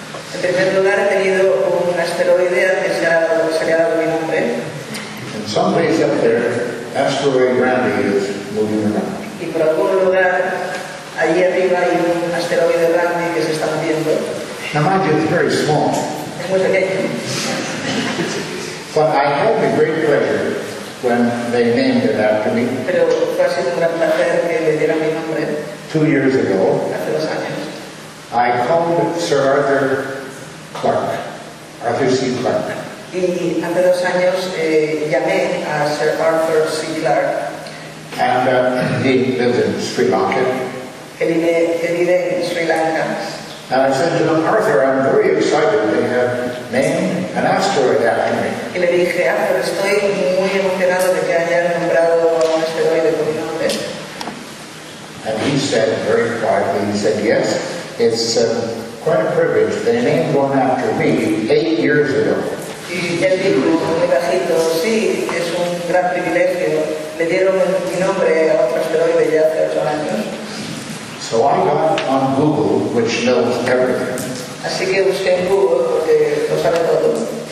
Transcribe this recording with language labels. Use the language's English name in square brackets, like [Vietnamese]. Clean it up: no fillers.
[Spanish] En primer lugar, he tenido un asteroide antes se le ha dado mi nombre. [English] In some place up there, asteroid Randy is moving around. [Spanish] Y por algún lugar, allí arriba hay un asteroide Randy que se está moviendo. [English] Now mind you, it's very small. [Spanish] Es muy pequeño. [English] But I had the great pleasure when they named it after me. [Spanish] Pero fue así un gran placer que le dieran mi nombre. [English] 2 years ago. [Spanish] Hace 2 años. [English] I called Sir Arthur Clark, Arthur C. Clark. [Spanish] Y hace 2 años llamé a Sir Arthur C. Clark. [English] And he lives in Sri Lanka. [Spanish] Que vive en Sri Lanka. [English] And I said to him, Arthur, I'm very excited. They have named an asteroid after me. [Spanish] Y le dije, Arthur, estoy muy emocionado de que hayan nombrado un asteroide con mi nombre. [English] And he said very quietly, he said, yes. It's quite a privilege. They named one after me 8 years ago. [Spanish] Y él dijo muy bajito, sí, es un gran privilegio. Le dieron mi nombre a otro asteroide ya hace 8 años. [English] So I got on Google, which knows everything. [Spanish] Así que busqué en Google porque lo sabe todo.